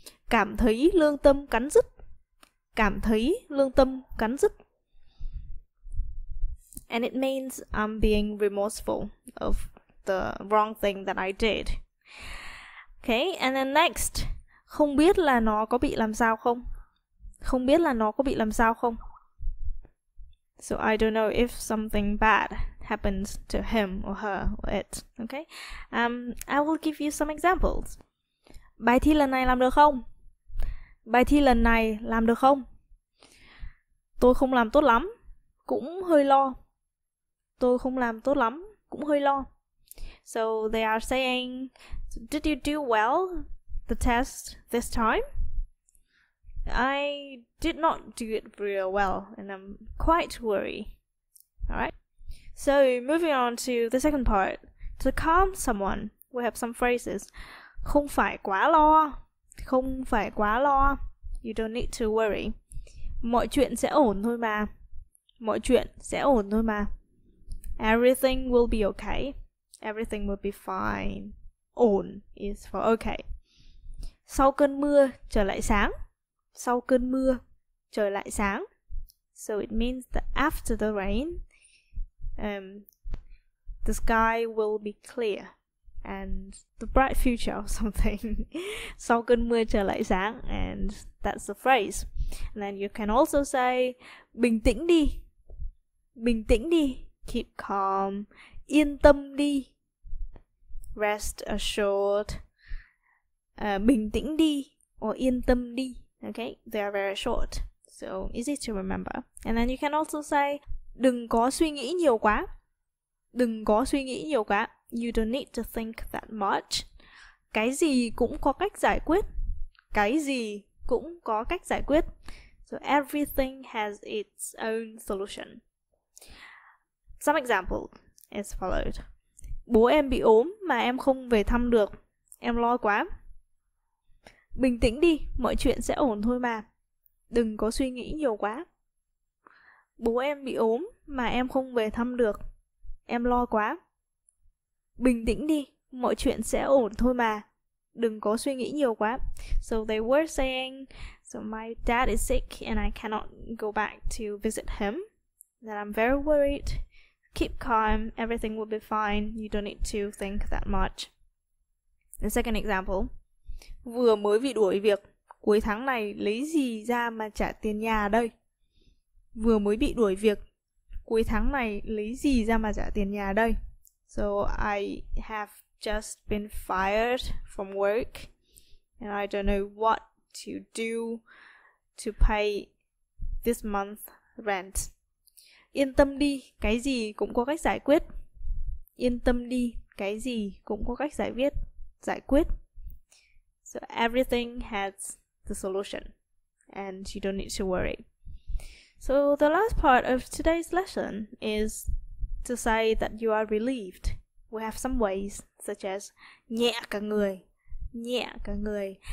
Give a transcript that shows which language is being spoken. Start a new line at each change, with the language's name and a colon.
Vietnamese: Cảm thấy lương tâm cắn rứt. Cảm thấy lương tâm cắn rứt.
English: And it means I'm being remorseful of the wrong thing that I did. Okay, and then next.
Vietnamese: Không biết là nó có bị làm sao không? Không biết là nó có bị làm sao không?
English: So I don't know if something bad happens to him or her or it. Okay, I will give you some examples.
Vietnamese: Bài thi lần này làm được không? Bài thi lần này làm được không? Tôi không làm tốt lắm, cũng hơi lo. Tôi không làm tốt lắm, cũng hơi lo.
English: So they are saying, did you do well the test this time? I did not do it real well and I'm quite worried. Alright, so moving on to the second part. To calm someone, we have some phrases.
Vietnamese: Không phải quá lo. Không phải quá lo.
English: You don't need to worry.
Vietnamese: Mọi chuyện sẽ ổn thôi mà. Mọi chuyện sẽ ổn thôi mà.
English: Everything will be okay. Everything will be fine. Ổn is for okay.
Vietnamese: Sau cơn mưa trời lại sáng. Sau cơn mưa trời lại sáng.
English: So it means that after the rain, the sky will be clear and the bright future or something.
Vietnamese: Sau cơn mưa trời lại sáng,
English: and that's the phrase. And then you can also say
Vietnamese: bình tĩnh đi. Bình tĩnh đi.
English: Keep calm.
Vietnamese: Yên tâm đi.
English: Rest assured.
Vietnamese: Bình tĩnh đi or yên tâm đi.
English: Okay, they are very short, so easy to remember. And then you can also say
Vietnamese: đừng có suy nghĩ nhiều quá. Đừng có suy nghĩ nhiều quá.
English: You don't need to think that much.
Vietnamese: Cái gì cũng có cách giải quyết. Cái gì cũng có cách giải quyết.
English: So everything has its own solution. Some example is followed.
Vietnamese: Bố em bị ốm mà em không về thăm được. Em lo quá. Bình tĩnh đi, mọi chuyện sẽ ổn thôi mà. Đừng có suy nghĩ nhiều quá. Bố em bị ốm mà em không về thăm được. Em lo quá. Bình tĩnh đi, mọi chuyện sẽ ổn thôi mà. Đừng có suy nghĩ nhiều quá.
English: So they were saying, so my dad is sick and I cannot go back to visit him. That I'm very worried. Keep calm, everything will be fine. You don't need to think that much. The second example.
Vietnamese: Vừa mới bị đuổi việc, cuối tháng này lấy gì ra mà trả tiền nhà đây? Vừa mới bị đuổi việc, cuối tháng này lấy gì ra mà trả tiền nhà đây?
English: So I have just been fired from work and I don't know what to do to pay this month rent.
Vietnamese: Yên tâm đi, cái gì cũng có cách giải quyết. Yên tâm đi, cái gì cũng có cách giải quyết.
English: So everything has the solution and you don't need to worry. So the last part of today's lesson is to say that you are relieved. We have some ways, such as
Vietnamese: nhẹ cả người. Nhẹ cả người.